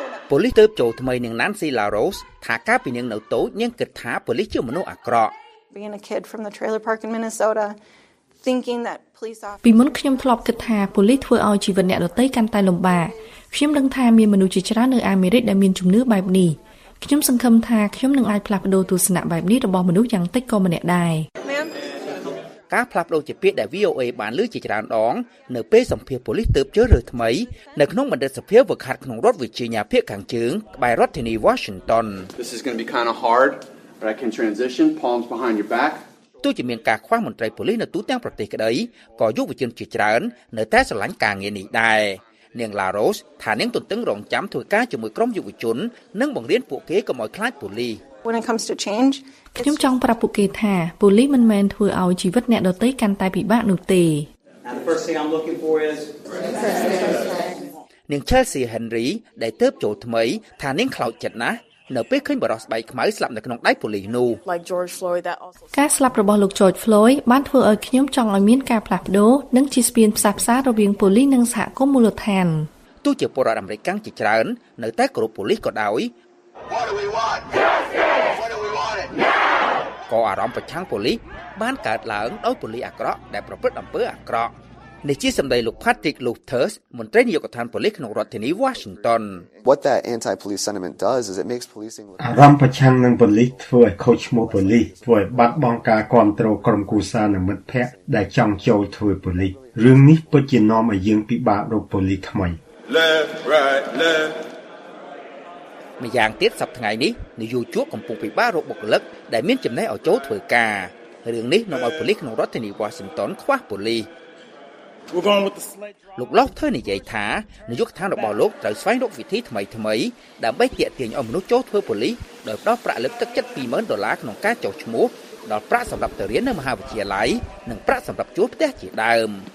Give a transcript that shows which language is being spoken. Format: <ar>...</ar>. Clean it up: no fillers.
<km>ប៉ូលីសទៅចូលថ្មីនឹង Nancy LaRose ថាកាលពីនាងនៅតូចនាងគិតថាប៉ូលីសជាមនុស្សអាក្រក់</km> <en>Being a kid from the trailer park in Minnesota thinking that police officers.</en> <km>ពីមុនខ្ញុំធ្លាប់គិតថាប៉ូលីសធ្វើឲ្យជីវិតអ្នកដទៃកាន់តែលំបាកខ្ញុំដឹងថាមានមនុស្សជាច្រើននៅអាមេរិកដែលមានជំនឿបែបនេះខ្ញុំសង្ឃឹមថាខ្ញុំនឹងអាចផ្លាស់ប្ដូរទស្សនៈបែបនេះរបស់មនុស្សយ៉ាងតិចក៏ម្នាក់ដែរ ការផ្លាស់ប្ដូរជាពាក្យដែល VOA បានលើកជាច្រើនដងនៅពេលសម្ភារប៉ូលីសទើបជឿរើថ្មីនៅក្នុងបណ្ឌិតសភាវឹកហាត់ក្នុងរដ្ឋវីជីញ៉ាភាគខាងជើងក្បែររដ្ឋធានី Washington</km> <en>This is going to be kind of hard but I can transition palms behind your back</en> <km>ទោះជាមានការខ្វះមន្ត្រីប៉ូលីសនៅទូទាំងប្រទេសក្តីក៏យុវជនជាច្រើននៅតែស្រឡាញ់ការងារនេះដែរនាងឡារ៉ូសថានាងទន្ទឹងរង់ចាំធ្វើការជាមួយក្រុមយុវជននិងបង្រៀនពួកគេកុំឲ្យខ្លាចប៉ូលីស</km> <en>When it comes to change,</en> <km>ខ្ញុំចង់ប្រាប់ពួកគេថាប៉ូលីសមិនមែនធ្វើឲ្យជីវិតអ្នកដទៃកាន់តែពិបាកនោះទេ ។នាង Chelsea Henry ដែលទើបចូលថ្មីថានាងខ្លោចចិត្តណាស់នៅពេលឃើញបរិសុទ្ធស្បែកខ្មៅស្លាប់នៅក្នុងដៃប៉ូលីសនោះ ។ការស្លាប់របស់លោក George Floyd បានធ្វើឲ្យខ្ញុំចង់ឲ្យមានការផ្លាស់ប្ដូរនិងជាស្ពានផ្សះផ្សារវាងប៉ូលីសនិងសហគមន៍មូលដ្ឋាន ។ទោះជាពលរដ្ឋអាមេរិកកាំងជាច្រើននៅតែគោរពប៉ូលីសក៏ដោយ</km> <en>What do we want?</en> <km>ក៏អារម្មណ៍ប្រឆាំងប៉ូលីសបានកើតឡើងដោយប៉ូលីសអាក្រក់ដែលប្រព្រឹត្តអំពើអាក្រក់នេះជាសម្ដីលោក Patrick Luthers មន្ត្រីនាយកដ្ឋានប៉ូលីសក្នុងរដ្ឋធានី Washington</km> <en>What that anti-police sentiment does is it makes policing</en> <km>អារម្មណ៍ប្រឆាំងនឹងប៉ូលីសធ្វើឲ្យខូចឈ្មោះប៉ូលីសធ្វើឲ្យបាត់បង់ការគ្រប់គ្រងក្រុមគូសានិងមិត្តភ័ក្តិដែលចង់ចូលធ្វើប៉ូលីសរឿងនេះពិតជានាំឲ្យយើងពិបាករកប៉ូលីសថ្មី</km> <en>Left, right, left.</en> <km>ម្យ៉ាងទៀតសប្តាហ៍ថ្ងៃនេះនាយកជួរកំពុងពិបាករកបុគ្គលិកដែលមានចំណេះឲ្យចូលធ្វើការរឿងនេះនាំឲ្យប៉ូលីសក្នុងរដ្ឋធានី Washington ខ្វះប៉ូលីសលោកលោកធ្វើនិយាយថានាយកដ្ឋានរបស់លោកត្រូវស្វែងរកវិធីថ្មីថ្មីដើម្បីទាក់ទាញឲ្យមនុស្សចូលធ្វើប៉ូលីសដោយផ្តល់ប្រាក់លើកទឹកចិត្ត $20,000ក្នុងការចុះឈ្មោះដល់ប្រាក់សម្រាប់ទៅរៀននៅមហាវិទ្យាល័យនិងប្រាក់សម្រាប់ជួលផ្ទះជាដើម</km>